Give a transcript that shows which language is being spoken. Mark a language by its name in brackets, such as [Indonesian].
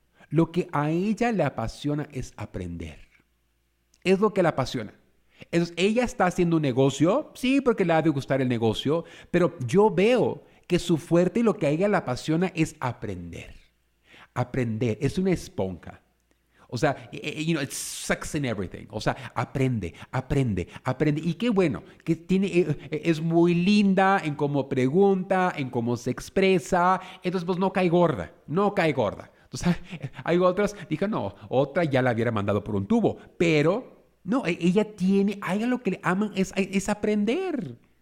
[Spanish] Lo que a ella le apasiona es aprender. Es lo que la apasiona. Entonces, ella está haciendo un negocio, sí, porque le ha de gustar el negocio, pero yo veo que su fuerte y lo que a ella le apasiona es aprender. Aprender, es una esponja. O sea, [English] you know, it sucks in everything. [Spanish] O sea, aprende. Y qué bueno, que tiene, es muy linda en cómo pregunta, en cómo se expresa. Entonces, pues no cae gorda. O sea, hay otras, dije, no, otra ya la hubiera mandado por un tubo. Pero, no, ella tiene, hay algo que le aman, es aprender.